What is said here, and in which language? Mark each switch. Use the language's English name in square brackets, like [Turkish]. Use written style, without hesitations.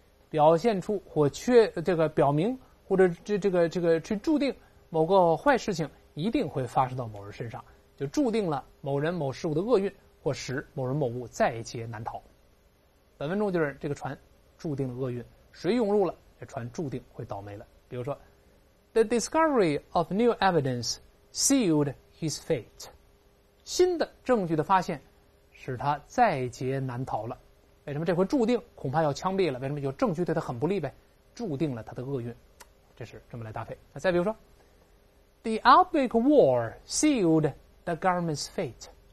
[Chinese] 表现出或缺这个表明或者这个去注定某个坏事情一定会发生到某人身上，就注定了某人某事物的厄运，或使某人某物在劫难逃。本文中就是这个船注定了厄运，水涌入了，这船注定会倒霉了。比如说 [English] ，The discovery of new evidence sealed his fate。 [Chinese] 新的证据的发现使他在劫难逃了。为什么这回注定恐怕要枪毙了？为什么有证据对他很不利呗？注定了他的厄运，这是这么来搭配。那再比如说 [English] ，The outbreak of war sealed the government's fate。